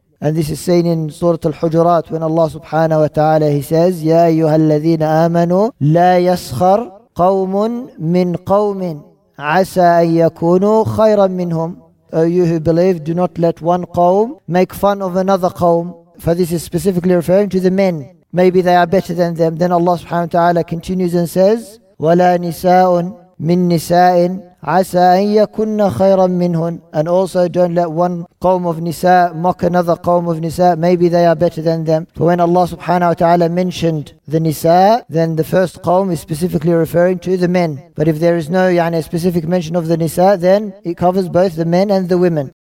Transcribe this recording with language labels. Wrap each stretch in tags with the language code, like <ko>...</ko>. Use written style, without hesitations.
<en>And this is seen in Surah Al-Hujurat when Allah subhanahu wa ta'ala, He says,</en> <ar>يَا أَيُّهَا الَّذِينَ آمَنُوا لَا يَسْخَرْ قَوْمٌ مِّن قَوْمٍ عَسَىٰ أَن يَكُونُوا خَيْرًا مِّنْهُمْ.</ar> <en>O you who believe, do not let one qawm make fun of another qawm. For this is specifically referring to the men. Maybe they are better than them. Then Allah subhanahu wa ta'ala continues and says,</en> <ar>وَلَا نِسَاءٌ مِّن نِسَاءٍ عَسَىٰ أَن يَكُنَّ خَيْرًا مِّنْهُنْ.</ar> <en>And also don't let one qawm of nisa mock another qawm of nisa. Maybe they are better than them. For when Allah subhanahu wa ta'ala mentioned the nisa, then the first qawm is specifically referring to the men. But if there is no specific mention of the nisa, then it covers both the men and the women.</en>